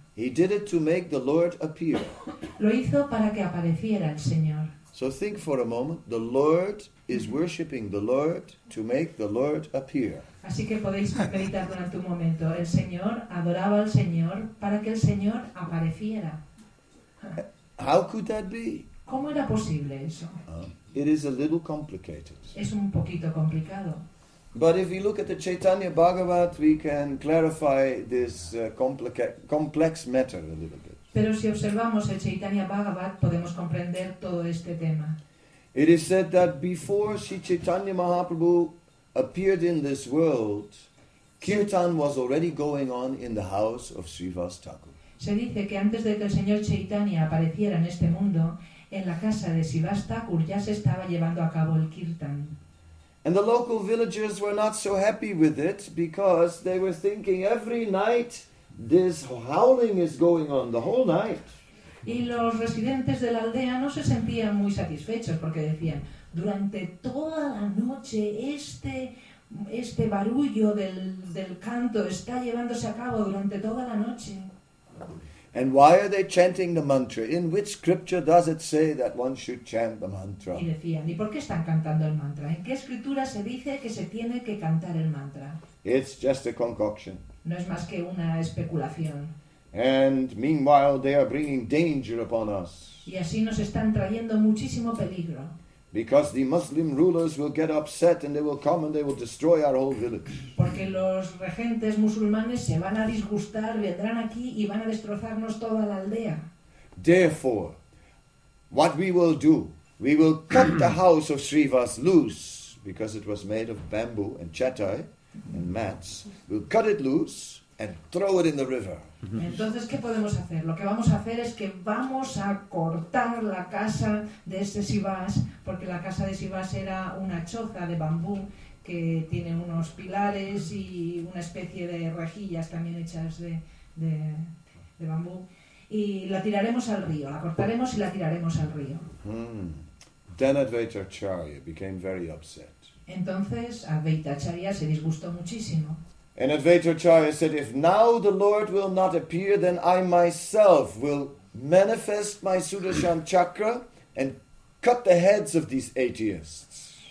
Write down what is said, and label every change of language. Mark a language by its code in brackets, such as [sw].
[en] He did it to make the Lord appear. [es] Lo hizo para que apareciera el Señor. [en] So think for a moment, the Lord is worshipping the Lord to make the Lord appear. [es] Así que podéis meditar durante un momento. El Señor adoraba al Señor para que el Señor apareciera. [en] How could that be? [es] ¿Cómo era posible eso? [en] It is a little complicated. [es] Es un poquito complicado. [en] But if we look at the Chaitanya Bhagavat, we can clarify this complex matter a little bit. [es] Pero si observamos el Chaitanya Bhagavat, podemos comprender todo este tema. [en] It is said that before Sri Chaitanya Mahaprabhu appeared in this world, kirtan was already going on in the house of Srivas Thakur. [es] Se dice que antes de que el señor Chaitanya apareciera en este mundo, en la casa de Srivas Thakur ya se estaba llevando a cabo el kirtan. [en] And the local villagers were not so happy with it because they were thinking every night this howling is going on the whole night. [es] Y los residentes de la aldea no se sentían muy satisfechos porque decían, durante toda la noche este barullo del canto está llevándose a cabo durante toda la noche. [en] And why are they chanting the mantra? In which scripture does it say that one should chant the mantra? [es] Y decían, ¿y por qué están cantando el mantra? ¿En qué escritura se dice que se tiene que cantar el mantra? [en] It's just a concoction. [es] No es más que una especulación. [en] And meanwhile they are bringing danger upon us. [es] Y así nos están trayendo muchísimo peligro. [en] Because the Muslim rulers will get upset and they will come and they will destroy our whole village. [es] Porque los regentes musulmanes se van a disgustar, vendrán aquí y van a destrozarnos toda la aldea. [en] Therefore, what we will do, we will cut the house of Srivas loose, because it was made of bamboo and chatai and mats. We'll cut it loose and throw it in the river. [es] Entonces, ¿qué podemos hacer? Lo que vamos a hacer es que vamos a cortar la casa de este Sivas, porque la casa de Sivas era una choza de bambú que tiene unos pilares y una especie de rejillas también hechas de bambú. Y la tiraremos al río, la cortaremos y la tiraremos al río. [en] Then Advaita Acharya became very upset. [es] Entonces, Advaita Acharya se disgustó muchísimo. [en] And Advaita Acharya said, if now the Lord will not appear, then I myself will manifest my Sudarshan Chakra and cut the heads of these atheists.